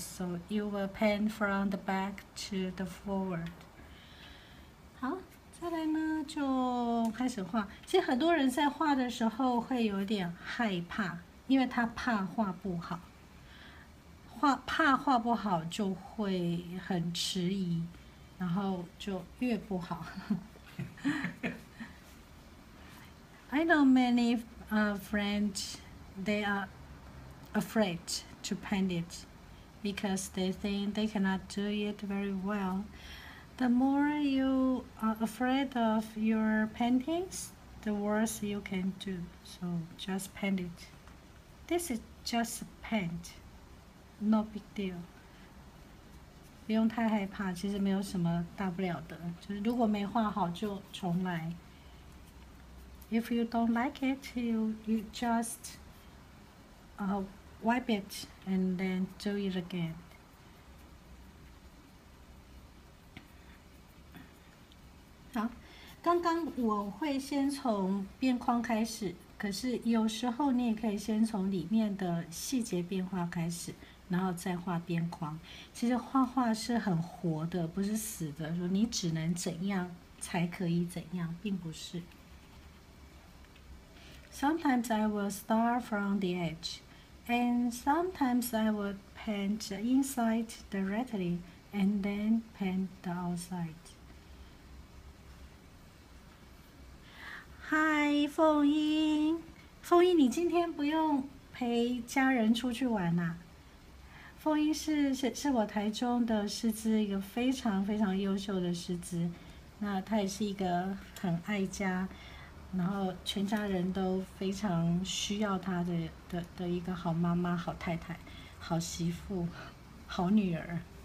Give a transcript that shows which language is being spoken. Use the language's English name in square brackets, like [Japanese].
[English] So you will paint from the back to the forward. [Chinese] 好，再来呢，就开始画。其实很多人在画的时候会有点害怕，因为他怕画不好。怕画不好就会很迟疑，然后就越不好。 [English] I know many friends, they are afraid to paint it because they think they cannot do it very well. The more you are afraid of your paintings, the worse you can do. So just paint it. This is just a paint. No big deal， [Chinese] 不用太害怕，其实没有什么大不了的。就是如果没画好就重来。 [English] If you don't like it, you just wipe it and then do it again. Okay. [Chinese] 刚刚我会先从边框开始，可是有时候你也可以先从里面的细节变化开始。然后再画边框，其实画画是很活的，不是死的，说你只能怎样才可以怎样，并不是。 [English] Sometimes I will start from the edge, and sometimes I will paint the inside directly, and then paint the outside. [Chinese] Hi, 凤英，凤英，你今天不用陪家人出去玩啊？凤英 是我台中的师资，一个非常非常优秀的师资。那她也是一个很爱家，然后全家人都非常需要她 的一个好妈妈、好太太、好媳妇、好女儿。